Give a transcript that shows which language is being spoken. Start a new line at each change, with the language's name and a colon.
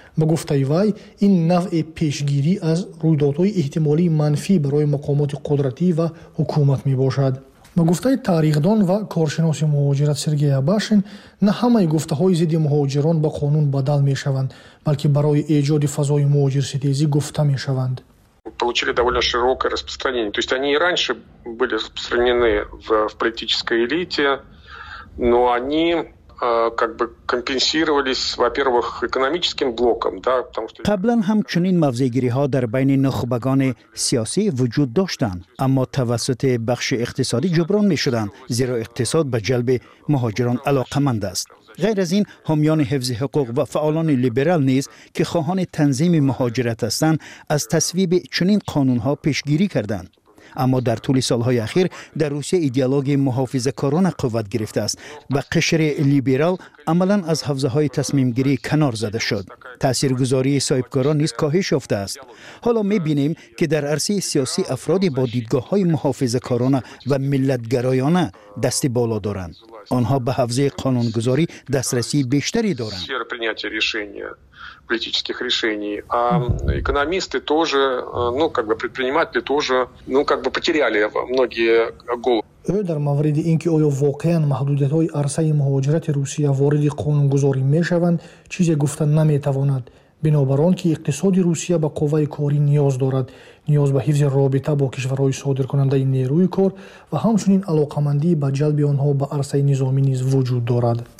Tajik: Ба гуфтаи вай, ин навъи пешгирӣ аз рӯйдодҳои эҳтимолии манфӣ барои мақомоти қудратӣ ва ҳукумат мебошад. Ба гуфтаи таърихдон ва коршиноси муҳоҷират Сергей Абашин, на ҳамаи гуфтаҳои зидди муҳоҷирон ба қонун бадал мешаванд, балки барои эҷоди фазои муҳоҷирситезӣ гуфта мешаванд.
Russian: Получили довольно широкое распространение. То есть они и раньше были распространены в политической элите, но они как бы компенсировались, во-первых, экономическим блоком, да, потому что
Tajik: Таблан ҳамчунин мавзегириҳо дар байни нахбагони сиёсӣ вуҷуд доштанд, аммо тавассути бахши иқтисодӣ ҷуброн мешуданд, зеро иқтисод ба ҷалби муҳоҷирон алоқаманд аст.
Persian: غیر از این حامیان حفظ حقوق و فعالان لیبرال نیز که خواهان تنظیم مهاجرت هستند از تصویب چنین قانون ها پیشگیری کردند. اما در طول سالهای اخیر در روسیه ایدئولوژی محافظه‌کاران قوت گرفته است و قشر لیبرال عملا از حوزه های تصمیم گیری کنار زده شد. تاثیرگذاری صاحبکاران نیز کاهش یافته است. حالا می‌بینیم که در عرصه سیاسی افراد با دیدگاه های محافظه‌کاران و ملت‌گرایانه دست بالا دارند. آنها به حوزه قانونگذاری دسترسی بیشتری دارند.
Russian: политических решений, а экономисты тоже, ну, как бы предприниматели тоже, ну, как бы потеряли многие головы.
Tajik: Эдар мавриди инки ойо воқеан маҳдудиятҳои арсаи муҳоҷирати Русия вориди қонунгузорӣ мешаванд, чизе гуфта наметавонад. Бинобар он ки иқтисоди Русия ба қувваи корӣ ниёз дорад, ниёз ба ҳифзи робита бо кишварҳои содиркунандаи нерӯи кор ва ҳамчунин алоқамандӣ ба ҷалби онҳо ба арсаи низомӣ низ вуҷуд дорад.